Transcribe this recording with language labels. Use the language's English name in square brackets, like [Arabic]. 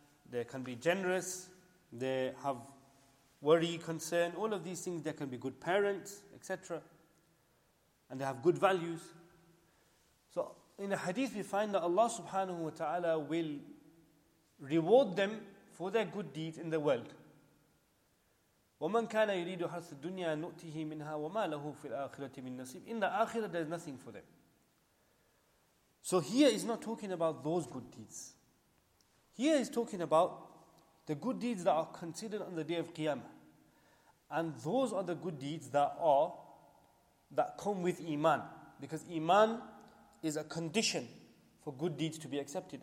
[English] They can be generous. They have worry, concern. All of these things, they can be good parents, etc. And they have good values. So, in the hadith we find that Allah subhanahu wa ta'ala will reward them for their good deeds in the world. [Arabic] وَمَنْ كَانَ يُرِيدُ حَرْثَ الدُّنْيَا نُؤْتِهِ مِنْهَا وَمَا لَهُ فِي الْآخِرَةِ مِنْ نَصِيبٍ [English] In the akhirah there is nothing for them. So here is not talking about those good deeds. Here is talking about the good deeds that are considered on the day of Qiyamah. And those are the good deeds that come with Iman. Because Iman is a condition for good deeds to be accepted.